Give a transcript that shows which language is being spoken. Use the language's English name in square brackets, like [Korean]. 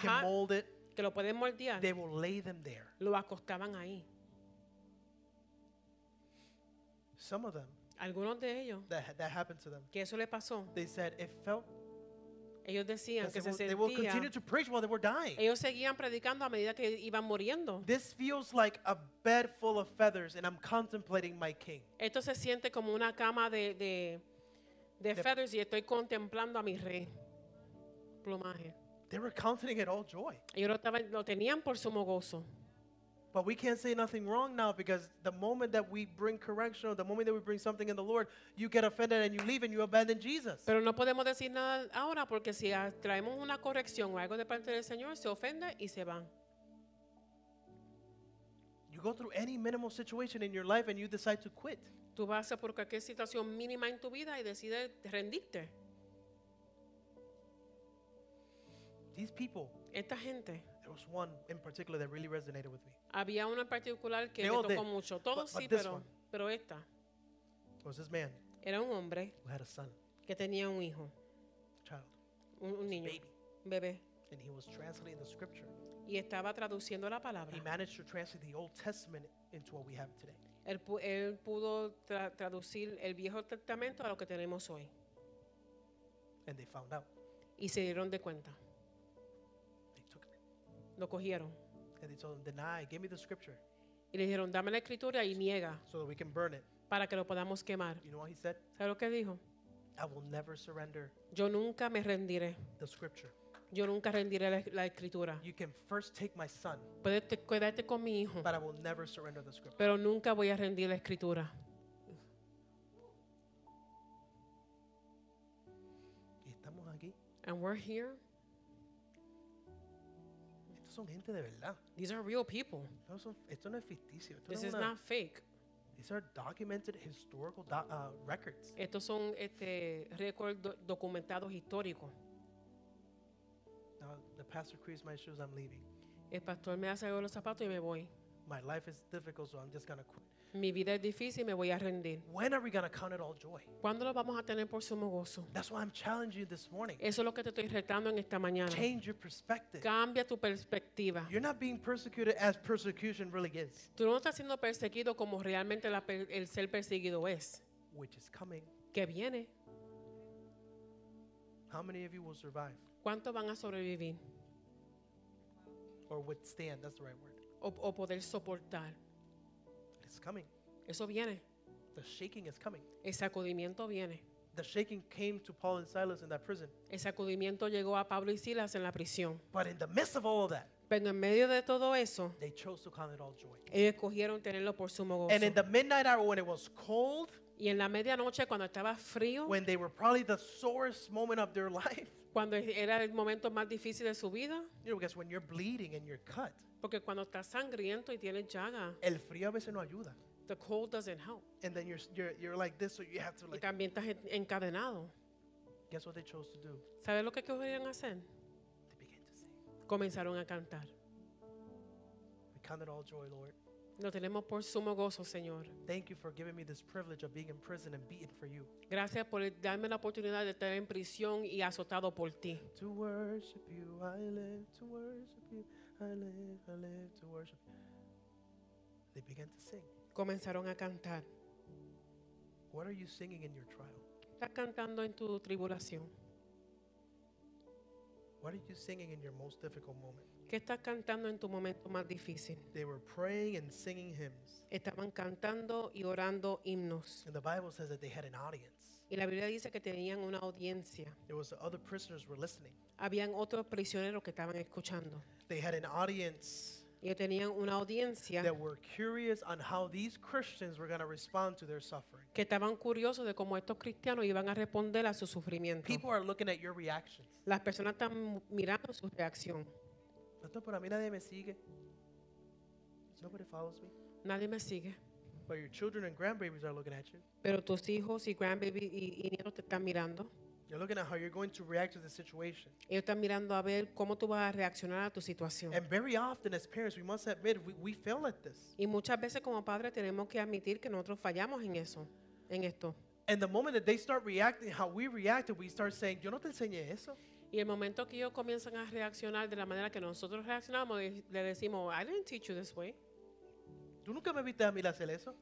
[English] can mold it. [Spanish] Que lo pueden moldear. [English] They will lay them there. [Spanish] Lo acostaban ahí. [English] Some of them. [Spanish] Algunos de ellos. [English] That happened to them. [Spanish] Que eso le pasó. [English] They said it felt. [Spanish] Ellos decían que se sentía. [English] They will continue to preach while they were dying. [Spanish] Ellos seguían predicando a medida que iban muriendo. [English] This feels like a bed full of feathers and I'm contemplating my king. [Spanish] Esto se siente como una cama de feathers y estoy contemplando a mi rey plumaje. [English] They were counting it all joy. [Spanish] Ellos lo tenían por sumo gozo. [English] But we can't say nothing wrong now because the moment that we bring correction or the moment that we bring something in the Lord, you get offended and you leave and you abandon Jesus. [Spanish] Pero no podemos decir nada ahora porque si traemos una corrección o algo de parte del Señor, se ofende y se van. [English] You go go through any minimal situation in your life and you decide to quit. [Spanish] Tú vas a por cualquier situación mínima en tu vida y decides rendirte. [English] These people, [Spanish] esta gente, [English] there was one in particular that really resonated with me. [Spanish] Había una en particular que me tocó mucho. Todos sí, pero esta. [English] Was this man. [Spanish] Era un hombre [English] who had a son. [Spanish] Que tenía un hijo. [English] Child. [Spanish] Un niño. [English] Baby. [Spanish] Bebé. [English] And he was translating the scripture. [Spanish] Y estaba traduciendo la palabra. [English] He managed to translate the Old Testament into what we have today. [Spanish] Él pudo traducir el Viejo Testamento a lo que tenemos hoy. [English] And they found out. [Spanish] Y se dieron de cuenta. [English] They took it. [Spanish] Lo cogieron. [English] And they told him, deny, give me the scripture. [Spanish] Y le dijeron, dame la escritura y niega. [English] So that we can burn it. [Spanish] Para que lo podamos quemar. [English] You know what he said? [Spanish] ¿Sabes lo que dijo? [English] I will never surrender. [Spanish] Yo nunca me rendiré. [English] The scripture. [Spanish] Yo nunca rendiré la escritura. [English] You can first take my son. [Spanish] Puedes quedarte con mi hijo. [English] But I will never surrender the scripture. [Spanish] Pero nunca voy a rendir la escritura. Y estamos aquí. [English] And we're here. [Spanish] Estos son gente de verdad. [English] These are real people. [Spanish] Esto no es ficticio. Esto [English] this [Spanish] no [English] is [Spanish] una, [English] not fake. These are documented historical records. [Spanish] Estos son récords documentados históricos. [English] Now the pastor creases my shoes, I'm leaving. [Spanish] El pastor me hace los zapatos y me voy. [English] My life is difficult, so I'm just going to quit. [Spanish] Mi vida es difícil, me voy a rendir. [English] When are we going to count it all joy? [Spanish] ¿Cuándo lo vamos a tener por sumo gozo? [English] That's why I'm challenging you this morning. [Spanish] Eso es lo que te estoy retando en esta mañana. [English] Change your perspective. [Spanish] Cambia tu perspectiva. [English] You're not being persecuted as persecution really is. [Spanish] Tú no estás siendo perseguido como realmente el ser perseguido es. [English] Which is coming. [Spanish] Que viene. [English] How many of you will survive? [Spanish] ¿Cuántos van a sobrevivir? [English] Or withstand, that's the right word. [Spanish] O poder soportar. [English] It's coming. [Spanish] Eso viene. [English] The shaking is coming. [Spanish] El sacudimiento viene. [English] The shaking came to Paul and Silas in that prison. [Spanish] El sacudimiento llegó a Pablo y Silas en la prisión. [English] But in the midst of all of that, [Spanish] pero en medio de todo eso, [English] they chose to count it all joy. [Spanish] Ellos escogieron tenerlo por sumo gozo. [English] And in the midnight hour when it was cold, [Spanish] y en la medianoche cuando estaba frío, [English] when they were probably the sorest moment of their life, [Spanish] cuando era el momento más difícil de su vida, [English] you know, because when you're bleeding and you're cut, [Spanish] porque cuando estás sangriento y tienes llaga, el frío a veces no ayuda. [English] The cold doesn't help. And then you're like this, so you have to like. [Spanish] Y también estás encadenado. [English] Guess what they chose to do? [Spanish] ¿Sabes lo que querían hacer? [English] They began to sing. [Spanish] Comenzaron a cantar. [English] We count it all joy, Lord. [Spanish] Lo tenemos por sumo gozo, Señor. [English] Thank you for giving me this privilege of being in prison and beaten for you. [Spanish] Gracias por darme la oportunidad de estar en prisión y azotado por ti. [English] To worship you, I live. To worship you, I live to worship. They began to sing. [Spanish] Comenzaron a cantar. [English] What are you singing in your trial? [Spanish] Estás cantando en tu tribulación. [English] What are you singing in your most difficult moment? [Spanish] ¿Qué estás cantando en tu momento más difícil? [English] They were praying and singing hymns. [Spanish] Estaban cantando y orando himnos. [English] And the Bible says that they had an audience. [Spanish] Y la Biblia dice que tenían una audiencia. [English] It was the other prisoners were listening. [Spanish] Habían otros prisioneros que estaban escuchando. [English] They had an audience. [Spanish] Y tenían una audiencia. [English] That were curious on how these Christians were going to respond to their suffering. [Spanish] Que estaban curiosos de cómo estos cristianos iban a responder a su sufrimiento. [English] People are looking at your reactions. [Spanish] Las personas están mirando su reacción. Pastor, pero a mí nadie me sigue. [English] Nobody follows me. [Spanish] Nadie me sigue. [English] But your children and grandbabies are looking at you. [Spanish] Pero tus hijos y grandbabies y nietos te están mirando. [English] You're looking at how you're going to react to the situation. [Spanish] Ellos están mirando a ver cómo tú vas a reaccionar a tu situación. [English] And very often, as parents, we must admit we fail at this. [Spanish] Y muchas veces como padres tenemos que admitir que nosotros fallamos en eso, en esto. [English] And the moment that they start reacting how we reacted, we start saying, [Spanish] "Yo no te enseñé eso." Y el momento que ellos comienzan a reaccionar de la manera que nosotros reaccionamos, le decimos, [English] I didn't teach you this way. [Spanish] ¿Tú nunca me viste a mí hacer eso?